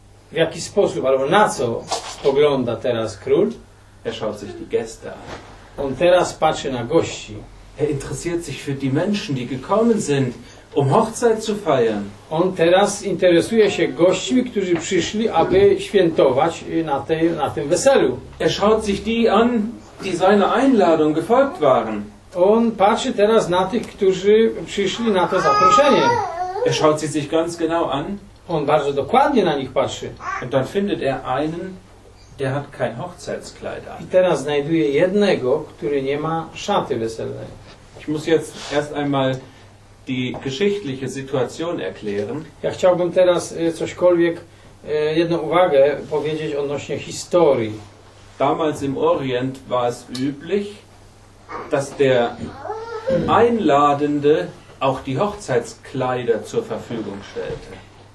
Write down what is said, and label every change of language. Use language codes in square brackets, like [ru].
[pl] W jaki sposób, albo na co spogląda teraz król? [de] Er schaut sich die Gäste an. [pl] On teraz patrzy na gości. [de] Er interessiert sich für die Menschen, die gekommen sind, um Hochzeit zu feiern. [pl] On teraz interesuje się gośćmi, którzy przyszli, aby świętować na tym weselu. [de] Er schaut sich die an, die seiner Einladung gefolgt waren. [pl] On patrzy teraz na tych, którzy przyszli na to zaproszenie. [de] Er schaut sie sich ganz genau an. [pl] On bardzo dokładnie na nich patrzy. [de] Und dann findet er einen, der hat kein Hochzeitskleid an. [pl] I teraz znajduje jednego, który nie ma szaty weselnej. [de] Ich muss jetzt erst einmal die geschichtliche Situation erklären. [pl] Ja chciałbym teraz cośkolwiek, jedną uwagę powiedzieć odnośnie historii. [de] Damals im Orient war es üblich, dass der Einladende auch die Hochzeitskleider zur Verfügung stellte.